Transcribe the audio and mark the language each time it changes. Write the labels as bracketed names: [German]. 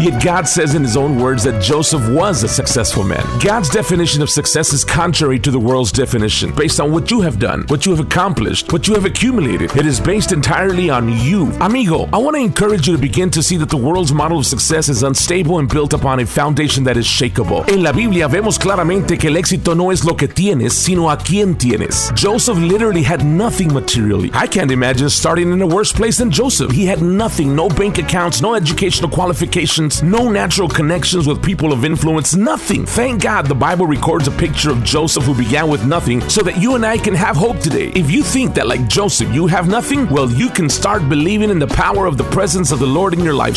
[English] Yet God says in his own words that Joseph was a successful man. God's definition of success is contrary to the world's definition. Based on what you have done, what you have accomplished, what you have accumulated, it is based entirely on you. Amigo, I want to encourage you to begin to see that the world's model of success is unstable and built upon a foundation that is shakable. [Spanish] En la Biblia vemos claramente que el éxito no es lo que tienes, sino a quien tienes. [English] Joseph literally had nothing materially. I can't imagine starting in a worse place than Joseph. He had nothing, no bank accounts, no educational qualifications, no natural connections with people of influence, nothing. Thank God the Bible records a picture of Joseph who began with nothing so that you and I can have hope today. If you think that like Joseph, you have nothing, well, you can start believing in the power of the presence of the Lord in your life.